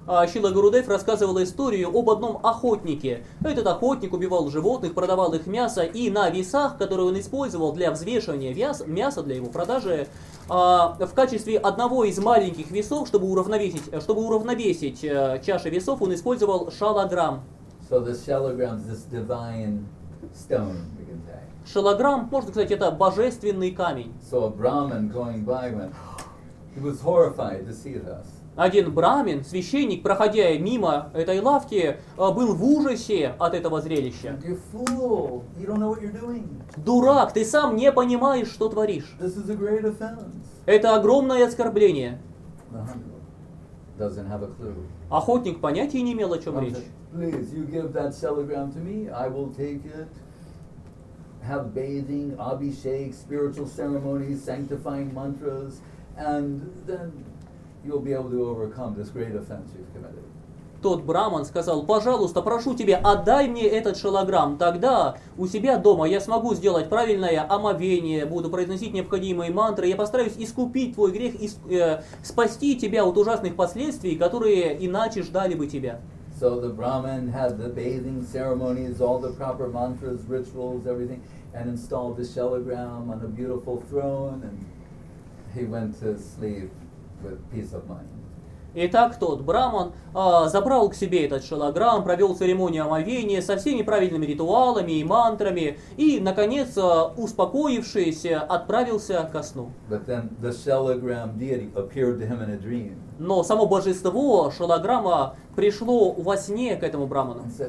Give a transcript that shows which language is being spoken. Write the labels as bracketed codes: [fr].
[ru] Шрила Гурудев рассказывал историю об одном охотнике. Этот охотник убивал животных, продавал их мясо, и на весах, которые он использовал для взвешивания мяса для его продажи, в качестве одного из маленьких весов, чтобы уравновесить чаши весов, он использовал шалаграм. [en] So the shalagram is this divine stone, we can say. [ru] Шалаграм, можно сказать, это божественный камень. [en] So a Brahmin going by went, he was horrified to see this. [ru] Один брамин, священник, проходя мимо этой лавки, был в ужасе от этого зрелища. [en] You fool, you don't know what you're doing. [ru] Дурак, ты сам не понимаешь, что творишь. [en] This is a great offense. [ru] Это огромное оскорбление. [en] The hunter doesn't have a clue. [ru] Охотник понятия не имел, о чем речь. [en] Please, you give that shilagram to me, I will take it, have bathing, abhishek, spiritual ceremonies, sanctifying mantras, and then you'll be able to overcome this great offense you've committed. [ru] Тот браман сказал, пожалуйста, прошу тебя, отдай мне этот шилограмм, тогда у себя дома я смогу сделать правильное омовение, буду произносить необходимые мантры, я постараюсь искупить твой грех и спасти тебя от ужасных последствий, которые иначе ждали бы тебя. [en] So the Brahmin had the bathing ceremonies, all the proper mantras, rituals, everything, and installed the shilagram on a beautiful throne, and he went to sleep with peace of mind. [ru] Итак, тот браман забрал к себе этот шилограмм, провел церемонию омовения со всеми правильными ритуалами и мантрами, и, наконец, успокоившись, отправился ко сну. [en] But then the shilagram deity appeared to him in a dream. [ru] Но само божество шилограмма пришло во сне к этому браману.